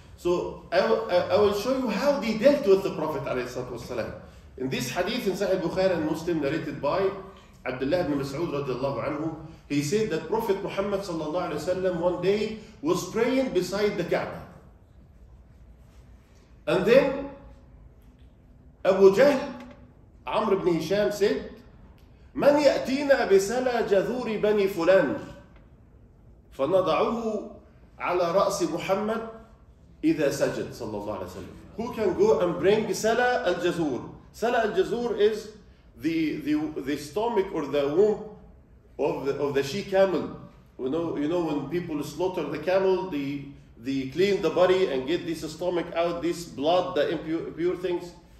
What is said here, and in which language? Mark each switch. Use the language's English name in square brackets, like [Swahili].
[English] So I will show you how they dealt with the Prophet alayhi salatu wasalam. In this hadith in Sahih Bukhari and Muslim narrated by Abdullah ibn Mas'ud radiallahu anhu, he said that Prophet Muhammad sallallahu alayhi wasalam one day was praying beside the Kaaba. And then Abu Jahl, Amr ibn Hisham said, [Arabic] من يأتينا بسلى جذور بني فلان فنضعه على رأس محمد إذا سجد صلى الله عليه وسلم. [English] Who who can go and bring Sala al-Jazur? Sala al-Jazur is the stomach or the womb of the she camel. You know when people slaughter the camel, they clean the body and get this stomach out, this blood, the impure things.